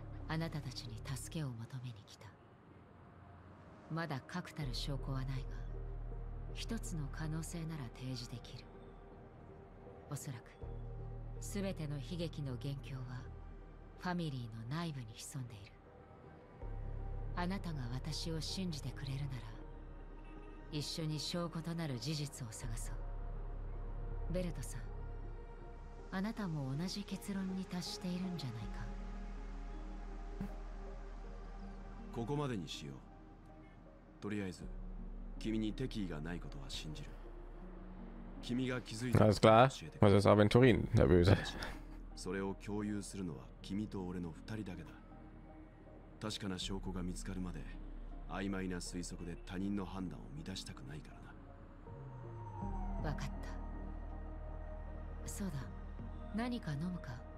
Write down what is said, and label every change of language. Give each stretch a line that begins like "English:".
Japanese: あなたたちに助けを求めに来た。まだ確たる証拠はないが、一つの可能性なら提示できる。おそらく全ての悲劇の元凶はファミリーの内部に潜んでいる。あなたが私を信じてくれるなら、一緒に証拠となる事実を探そう。ベルトさん、あなたも同じ結論に達しているんじゃないか。
German: Alles klar, was ist Aventurin, der Böse?
Japanese: それを共有するのは君と俺の二人だけだ。確かな証拠が見つかるまで、曖昧な推測で他人の判断を乱したくないからな。わかった。そうだ。何か飲むか。